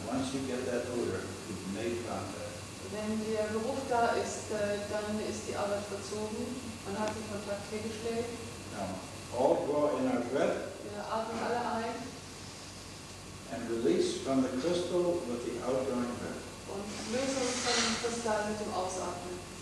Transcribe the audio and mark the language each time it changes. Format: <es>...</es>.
<en>Once you get that odor, you've made contact.</en> <de>Wenn der Geruch da ist, dann ist die Arbeit verzogen. Man hat den Kontakt hergestellt.</de> <en>Now, all draw in our breath.</en> <de>Wir atmen alle ein.</de> <en>And release from the crystal with the outgoing breath.</en> <de>Und löse uns von dem Kristall mit dem Ausatmen.</de>